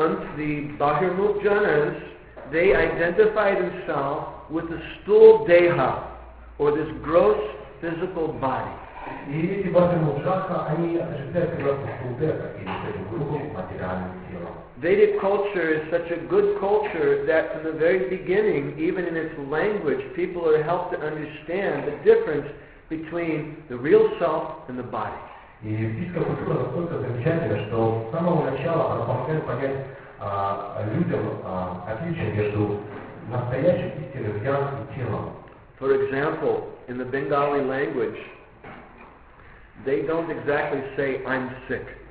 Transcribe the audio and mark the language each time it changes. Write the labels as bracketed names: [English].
[English] The bahirmukjanas, they identify themselves with the stool deha, or this gross physical body. [Russian] И эти бхакти-муджатха, они отождествляют себя с Кулдеха, или с этим грубым материальным телом. [English] Vedic culture is such a good culture that from the very beginning, even in its language, people are helped to understand the difference between the real self and the body. [Russian] И ведическая культура настолько замечательна, что с самого начала она помогает понять людям отличие между настоящим истинным я и телом. [English] For example, in the Bengali language, they don't exactly say, I'm sick.